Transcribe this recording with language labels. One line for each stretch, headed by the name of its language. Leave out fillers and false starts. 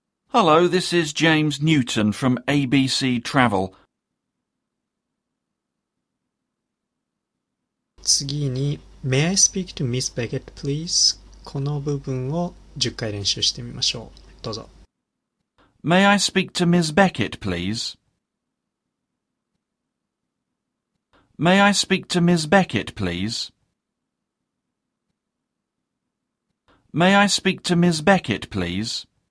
English: Hello, this is James Newton from ABC Travel.
Japanese: 次に、
English: May I speak to Miss Beckett, please?
Japanese: この部分を10回練習してみましょう。どうぞ。
English: May I speak to Miss Beckett, please? May I speak to Miss Beckett, please? May I speak to Miss Beckett, please?